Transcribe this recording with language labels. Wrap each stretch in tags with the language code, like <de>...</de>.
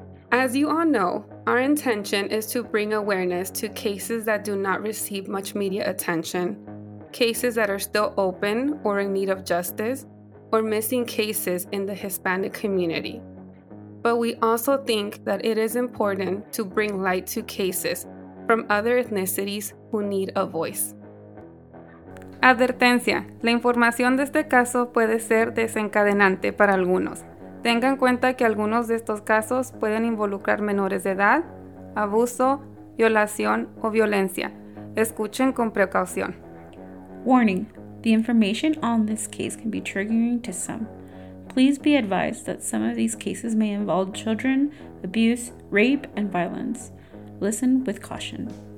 <en>As you all know, our intention is to bring awareness to cases that do not receive much media attention, cases that are still open or in need of justice, or missing cases in the Hispanic community. But we also think that it is important to bring light to cases from other ethnicities who need a voice.</en> <es>Advertencia: la información de este caso puede ser desencadenante para algunos. Tengan cuenta que algunos de estos casos pueden involucrar menores de edad, abuso, violación o violencia. Escuchen con precaución.</es> <en>Warning: the information on this case can be triggering to some. Please be advised that some of these cases may involve children, abuse, rape, and violence. Listen with caution.</en>